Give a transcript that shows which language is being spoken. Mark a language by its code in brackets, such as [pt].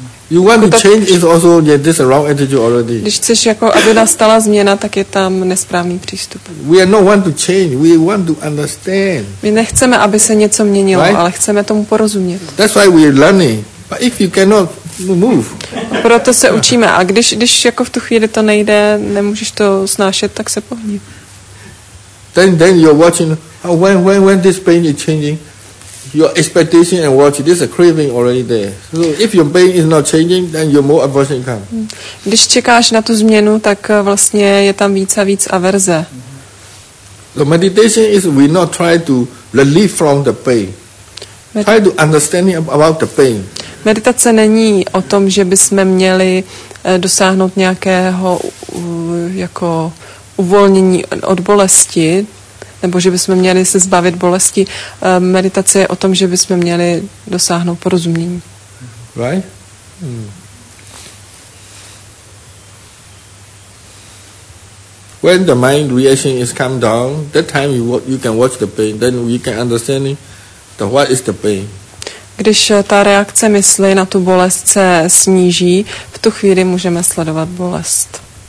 [en] You want to change is also yeah, this wrong attitude already. [cs] Když chceš jako aby nastala změna, tak je tam nesprávný přístup. [en] We are not want to change. We want to understand. [cs] My nechceme, aby se něco měnilo, right? Ale chceme tomu porozumět. [en] That's why we are learning. But if you cannot move. [cs] Proto se učíme. A když jako v tu chvíli to nejde, nemůžeš to snášet, tak se pohni. [en] Then you're watching. Oh, when this pain is changing, your expectation and watch this a craving already there. So if your pain is not changing, then your more aversion comes. [cs] Když čekáš na tu změnu, tak vlastně je tam víc a víc averze. [en] The meditation is we not try to relieve from the pain. Try to understand about the pain. [cs] Meditace není o tom, že bychom měli dosáhnout nějakého jako uvolnění od bolesti, nebo že bychom měli se zbavit bolesti. Meditace je o tom, že bychom měli dosáhnout porozumění. [en] Right? When the mind reaction is come down, that time you can watch the pain, then you can understand the what is the pain. [cs] Když ta reakce mysli na tu bolest se sníží, v tu chvíli můžeme sledovat bolest.